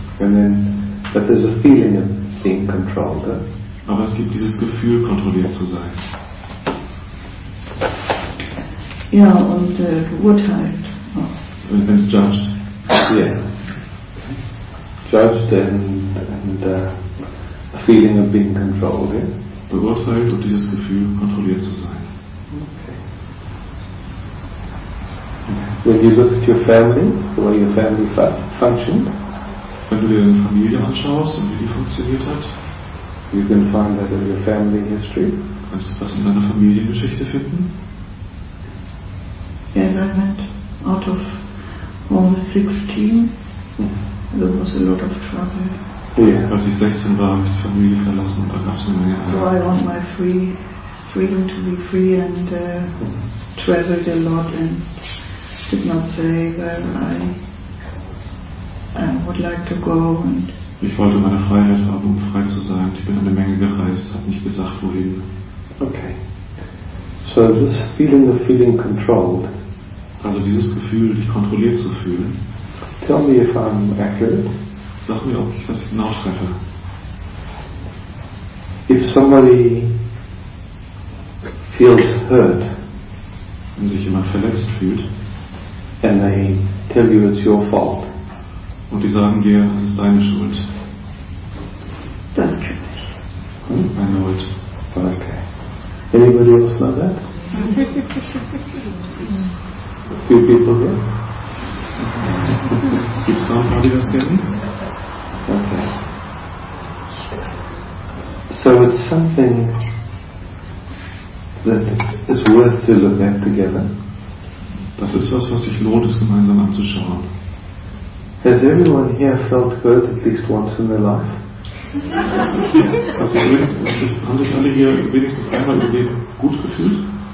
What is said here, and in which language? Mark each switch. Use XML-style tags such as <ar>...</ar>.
<en>And then, but there's a feeling of being controlled. Huh?</en> <de>Aber es gibt dieses Gefühl, kontrolliert zu sein. Ja, und geurteilt.</de> <en>And judged. Yeah. Judged and a feeling of being controlled. Yeah?</en> <de>Beurteilt und dieses Gefühl, kontrolliert zu sein.</de> <en>When you look at your family, the way your family functioned,</en> <de>wenn du dir deine Familie anschaust und wie die funktioniert hat,</de> <en>you can find that in your family history.</en> <de>Kannst du was in deiner Familiengeschichte finden?</de> <en>Yes, I went out of home 16. There was a lot of trouble. Yeah.</en> <de>Als ich 16 war, habe ich die Familie verlassen und dann gab es eine Menge Arbeit.</de> <en>So I want my freedom to be free and traveled a lot and did not say where I would like to go. And</en> <de>ich wollte meine Freiheit haben, um frei zu sein. Ich bin eine Menge gereist, habe nicht gesagt, wohin.</de> <en>Okay. So this feeling of feeling controlled.</en> <de>Also dieses Gefühl, dich kontrolliert zu fühlen.</de> <en>Tell me if I'm accurate.</en> <de>Sag mir, ob ich das genau treffe.</de> <en>If somebody feels hurt,</en> <de>wenn sich jemand verletzt fühlt,</de> <en>and they tell you it's your fault,</en> <de>und die sagen dir, es ist deine Schuld, dann kann ich. Meine Schuld.</de> <en>Okay. Anybody else know that? A few people here?</en> <de>Gibt es noch die das kennen?</de> <en>Okay. So it's something that is worth to look at together.</en> <de>Das ist was, was sich lohnt, es gemeinsam anzuschauen.</de> <en>Has everyone here felt hurt at least once in their life?</en> <de>Haben sich alle hier wenigstens einmal im Leben gut gefühlt?</de>